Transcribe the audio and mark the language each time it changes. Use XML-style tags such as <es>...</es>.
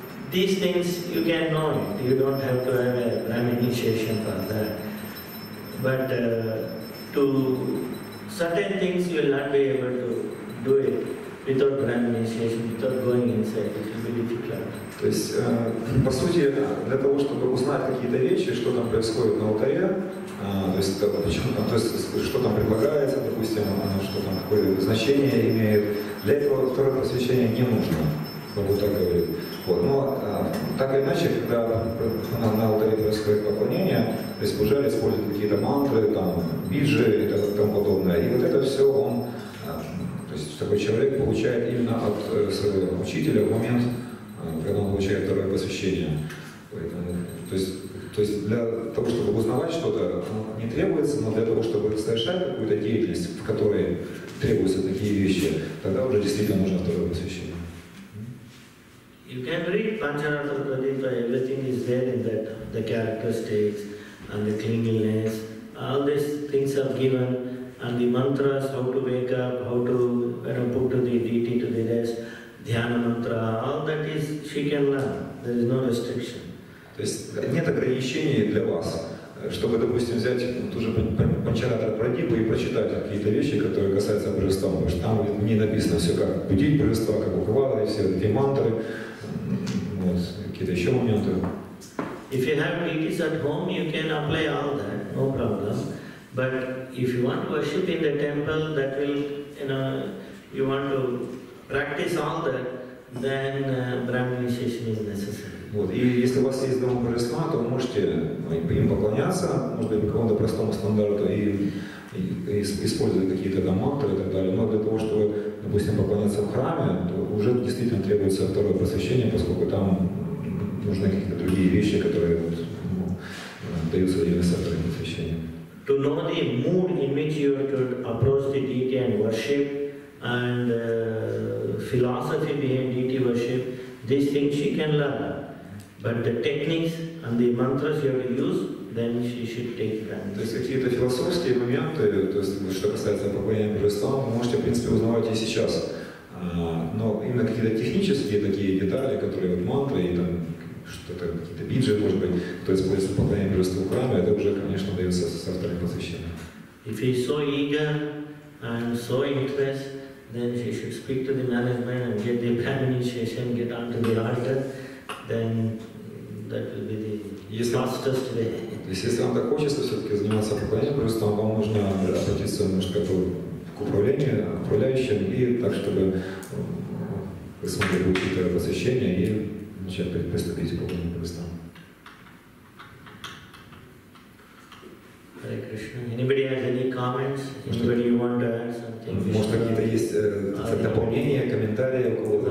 <en>These things you can know. You don't have to have a Brahmin initiation for that. But to certain things you will not be able to do it without Brahmin initiation, without going inside. It will be difficult.</en> <ru>То есть, по сути, для того, чтобы узнать какие-то вещи, что там происходит на алтаре, что там предлагается, допустим, что там какое значение имеет, для этого второе посвящение не нужно, как бы так говорит. Вот. Но так или иначе, когда на алтаре происходит поклонение, то есть Буджари использует какие-то мантры, там, биджи и тому подобное, и вот это все он, то есть такой человек получает именно от своего учителя в момент, когда он получает второе посвящение. Поэтому, то есть для того, чтобы узнавать что-то, не требуется, но для того, чтобы совершать какую-то деятельность, в которой требуются такие вещи, тогда уже действительно нужно второе посвящение.</ru> <en>You can read Pancharatra Pradipa, everything is there in that, the characteristics and the cleanliness. All these things are given and the mantras, how to wake up, how to, you know, put the DT to the rest, dhyana mantra, all that is she can learn. There is no restriction.</en> <ru>То есть нет ограничений для вас, чтобы, допустим, взять ту же Панчарата Прадипу и прочитать какие-то вещи, которые касаются божества. Потому что там не написано все, как будить божества, как ухвалы, и все эти мантры, вот, какие-то еще моменты.</ru> <en>If you have deities at home, you can apply all that, no problem. But if you want to worship in the temple, that will, you know, you want to practice all that, then Brahmin initiation is necessary.</en> <ru>Вот. И если у вас есть дома божества, то вы можете им поклоняться, может быть, какому-то простому стандарту и использовать какие-то там мантры и так далее. Но для того, чтобы, допустим, поклоняться в храме, то уже действительно требуется второе посвящение, поскольку там нужны какие-то другие вещи, которые вот, ну, даются именно со вторым посвящением.</ru> <en>To know the mood in which you have to approach the deity and worship, and philosophy behind deity worship, these things she can learn. But the techniques and the mantras you have to use, then she should take them.</en> <ru>То есть какие-то философские моменты, то есть что касается поклонения божествам, вы можете, в принципе, узнавать и сейчас. Но именно какие-то технические такие детали, которые вот мантры и там что-то, какие-то биджи, может быть, то есть используется поклонение божеству в храме, это уже, конечно, дается со вторым посвящением.</ru> <en>If he is so eager and so interested, then she should speak to the management and get the Brahmin initiation, get onto the altar. Then that will be the fastest way.</en> <ru>То есть, если вам так хочется все-таки заниматься поклонением, просто вам нужно обратиться немножко к управлению, к управляющим, и так, чтобы вы смогли получить это посвящение и начать приступить к поклонению Христа.</ru> <en>Hare Krishna. Anybody has any comments? Anybody want to add something?</en> <ru>Может, какие-то есть дополнения, комментарии у кого-то?</ru>